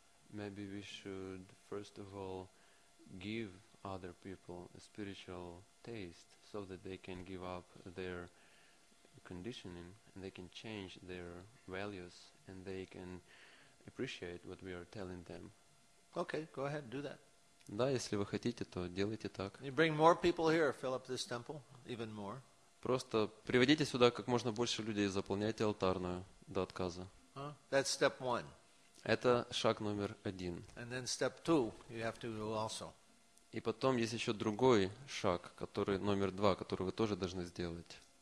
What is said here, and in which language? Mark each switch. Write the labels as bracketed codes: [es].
[en] maybe we should first of all give other people a spiritual taste so that they can give up their conditioning and they can change their values and they can appreciate what we are telling them. Okay, go ahead, do that. [ru] Да, если вы хотите, то делайте так. [en] You bring more people here, fill up this temple even more. [ru] Просто приводите сюда как можно больше людей, заполняйте алтарную до отказа. [en] That's step one. [ru] Это шаг номер один. [en] And then step two, you have to do also. [ru] И потом есть еще другой шаг, который номер два, который вы тоже должны сделать.